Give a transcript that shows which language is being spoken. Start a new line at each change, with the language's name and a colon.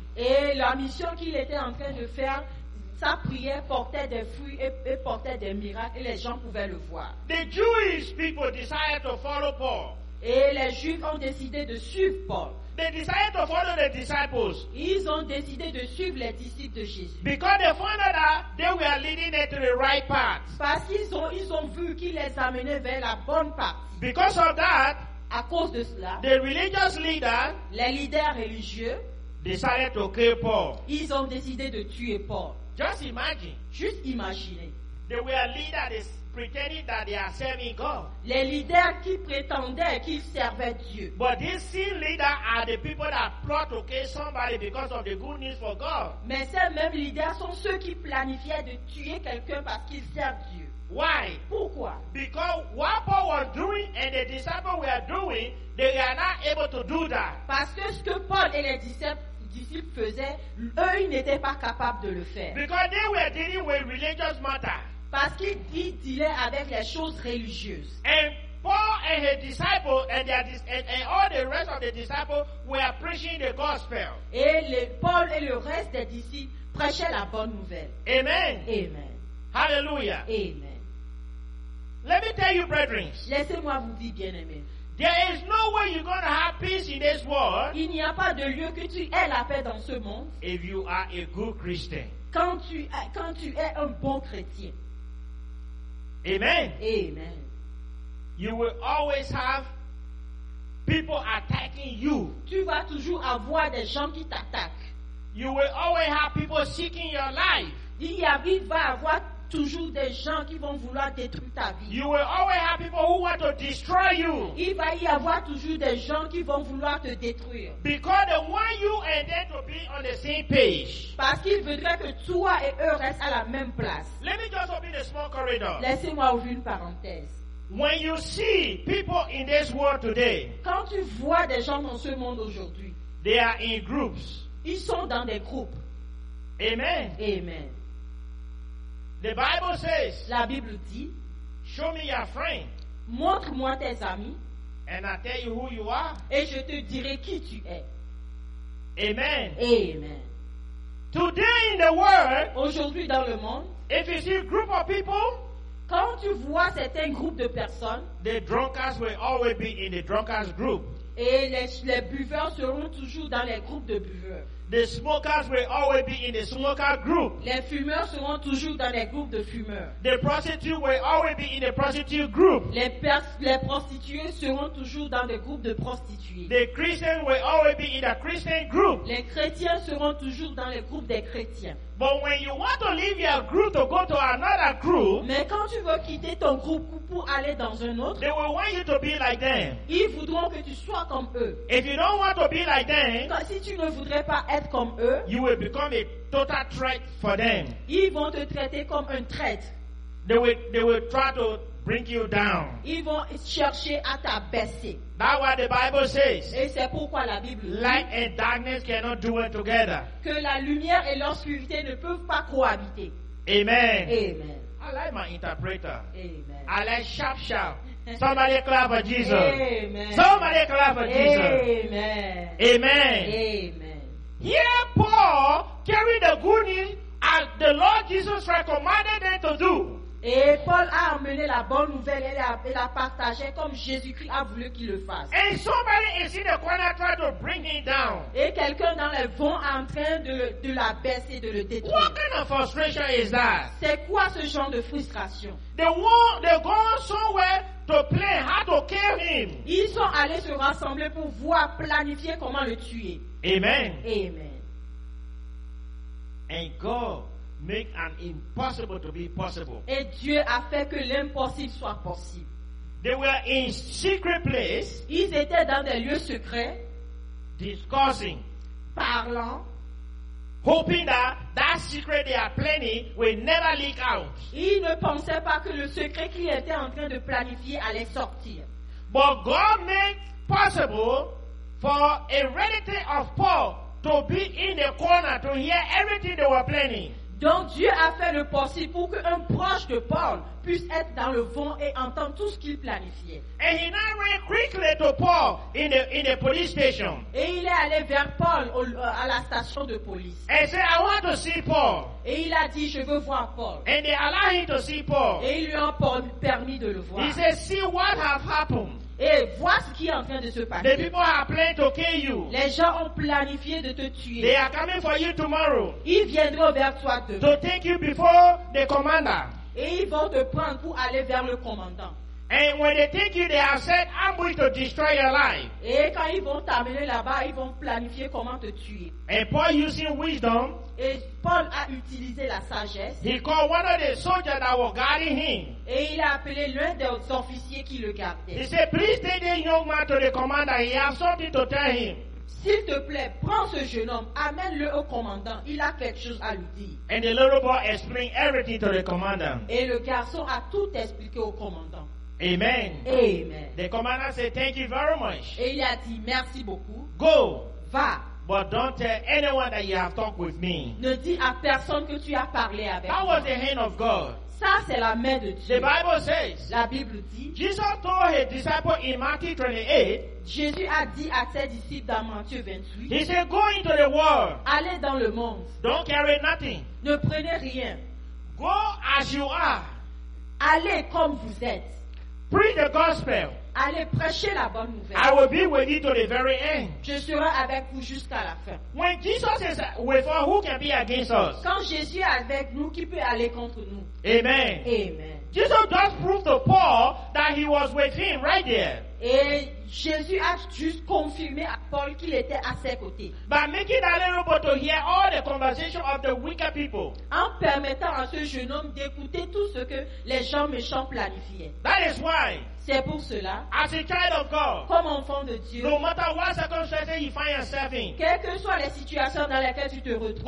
French: Et la mission qu'il était en train de faire, sa prière portait des fruits et portait des miracles et les gens pouvaient le voir.
English: The Jewish people decided to follow Paul.
French: Et les Juifs ont décidé de suivre Paul.
English: They decided to follow the disciples.
French: Ils ont décidé de suivre les disciples de Jésus.
English: Because they found out that they were leading them to the right path.
French: Parce qu'ils ont vu qu'ils les amenaient vers la bonne path.
English: Because of that,
French: à cause de cela,
English: the religious leader,
French: les leaders religieux,
English: decided to kill Paul.
French: Ils ont décidé de tuer Paul.
English: Just imagine.
French: Juste imaginez.
English: They were leaders. Pretending that they are serving God.
French: Les leaders qui prétendaient qu'ils servaient Dieu.
English: But these same leaders are the people that plot to kill somebody because of the good news for God.
French: Mais ces mêmes leaders sont ceux qui planifiaient de tuer quelqu'un parce qu'ils servent Dieu.
English: Why?
French: Pourquoi?
English: Because what Paul was doing and the disciples were doing, they were not able to do that.
French: Parce que ce que Paul et les disciples faisaient, eux, ils n'étaient pas capables de le faire.
English: Because they were dealing with religious matters.
French: Parce qu'ils dealaient avec les choses religieuses.
English: And Paul and his disciples and all the rest of the disciples were preaching the gospel.
French: Et Paul et le reste des disciples prêchaient la bonne nouvelle. Amen. Amen. Hallelujah. Amen.
English: Let me tell you, brethren.
French: Laissez-moi vous dire, bien-aimés.
English: There is no way you're going to have peace in this world.
French: Il n'y a pas de lieu que tu aies la paix dans ce monde.
English: If you are a good Christian.
French: Quand tu es un bon chrétien. Amen. Amen.
English: You will always have people attacking you.
French: Tu vas toujours avoir des gens qui t'attaquent.
English: You will always have people seeking your life.
French: Il va avoir toujours des gens qui vont vouloir détruire ta vie.
English: You will always have people who want to destroy you.
French: Il va y avoir toujours des gens qui vont vouloir te détruire.
English: Because they want you and them to be on the same page.
French: Parce qu'ils voudraient que toi et eux restent à la même place.
English: Let me just open a small corridor.
French: Laissez-moi ouvrir une parenthèse.
English: When you see people in this world today,
French: quand tu vois des gens dans ce monde aujourd'hui,
English: they are in groups.
French: Ils sont dans des groupes. Amen. Amen.
English: The Bible says,
French: la Bible dit,
English: show me your friend,
French: montre-moi tes amis,
English: and I tell you who you are,
French: et je te dirai qui tu es. Amen. Amen.
English: Today in the world,
French: aujourd'hui dans le monde,
English: if you see a group of people,
French: quand tu vois certains groupes de personnes,
English: the drunkards will always be in the drunkards group.
French: Et les buveurs seront toujours dans les groupes de buveurs.
English: The smokers will always be in the smoker group.
French: Les fumeurs seront toujours dans les groupes de fumeurs.
English: The prostitutes will always be in the prostitute group.
French: Les prostituées seront toujours dans les groupes de prostituées.
English: The Christians will always be in the Christian group.
French: Les chrétiens seront toujours dans les groupes des chrétiens.
English: But when you want to leave your group to go to another group,
French: mais quand tu veux quitter ton groupe pour aller dans un autre,
English: they will want you to be like them.
French: Ils voudront que tu sois comme eux.
English: If you don't want to be like them,
French: si tu ne voudrais pas être comme eux,
English: you will become a total threat for them.
French: Ils vont te traiter comme un traître.
English: They will try to bring you down.
French: Ils vont chercher à t'abaisser.
English: That's what the Bible says.
French: Et c'est pourquoi la Bible dit,
English: light and darkness cannot dwell together.
French: Que la lumière et l'obscurité ne peuvent pas cohabiter. Amen. Amen.
English: I like my interpreter. Amen. I like sharp sharp. Somebody clap for Jesus. Amen. Somebody clap for Jesus. Amen. Amen. Amen. Here Paul carried the good news as the Lord Jesus recommended them to do.
French: Et Paul a amené la bonne nouvelle et l'a partagé comme Jésus-Christ a voulu qu'il le fasse.
English: And somebody is in the corner trying to bring him down.
French: Et quelqu'un dans les vents en train de l'abaisser et de le détruire.
English: What kind of frustration is that?
French: C'est quoi ce genre de frustration?
English: They go somewhere to plan how to kill him.
French: Ils sont allés se rassembler pour voir planifier comment le tuer. Amen. Amen.
English: And God make an impossible to be possible.
French: Et Dieu a fait que l'impossible soit possible.
English: They were in secret place.
French: Ils étaient dans des lieux secrets.
English: Discussing.
French: Parlant.
English: Hoping that secret they are planning will never leak out.
French: Ils ne pensaient pas que le secret qu'ils étaient en train de planifier allait sortir.
English: But God made possible for a relative of Paul to be in the corner to hear everything they were planning.
French: Donc Dieu a fait le possible pour qu'un proche de Paul puisse être dans le vent et entendre tout ce qu'il planifiait.
English: And he now ran quickly to Paul in the police station.
French: Et il est allé vers Paul à la station de police.
English: And he said, I want to see Paul.
French: Et il a dit, je veux voir Paul.
English: And they allowed him to see Paul.
French: Et ils lui ont permis de le voir.
English: He said, see what have happened.
French: Et vois ce qui est en train de se passer.
English: The people are planning to kill you.
French: Les gens ont planifié de te tuer.
English: They are coming for you tomorrow.
French: Ils viendront vers toi demain.
English: To take you before the commander.
French: Et ils vont te prendre pour aller vers le commandant.
English: And when they take you, they have said, I'm going to destroy your life.
French: Et quand ils vont t'amener là-bas, ils vont planifier comment te tuer.
English: And Paul using wisdom.
French: Et Paul a utilisé la sagesse.
English: He called one of the soldiers that were guarding him.
French: Et il a appelé l'un des officiers qui le gardait.
English: He said, please take this young man to the commander. He has something to tell him.
French: S'il te plaît, prends ce jeune homme, amène-le au commandant. Il a quelque chose à lui dire.
English: And the little boy explained everything to the commander.
French: Et le garçon a tout expliqué au commandant. Amen. Amen.
English: The commander said, thank you very much.
French: Et il a dit, merci beaucoup.
English: Go.
French: Va.
English: But don't tell anyone that you have talked with me.
French: Ne dis à personne que tu as parlé avec moi.
English: That was the hand of God.
French: Ça, c'est la main de Dieu.
English: The Bible says,
French: la Bible dit,
English: Jesus told his disciples in Matthew 28,
French: Jésus a dit à ses disciples dans Matthieu 28,
English: he said, go into the world.
French: Allez dans le monde.
English: Don't carry nothing.
French: Ne prenez rien.
English: Go as you are.
French: Allez comme vous êtes.
English: Preach the gospel.
French: Allez prêcher la bonne nouvelle.
English: I will be with you to the very end.
French: Je serai avec vous jusqu'à la fin.
English: When Jesus is with us, who can be against us?
French: Quand Jésus est avec nous, qui peut aller contre nous? Amen. Amen.
English: Jesus just proved to Paul that he was with him right there.
French: Et Jésus a juste confirmé à Paul qu'il était à ses côtés.
English: By making that little boy to hear all the conversation of the wicked people.
French: En permettant à ce jeune homme d'écouter tout ce que les gens méchants planifiaient.
English: That is why.
French: C'est pour cela.
English: As a child of God.
French: Comme enfant de Dieu.
English: No matter what circumstances you find yourself in.
French: Quelles que soient les situations dans lesquelles tu te retrouves.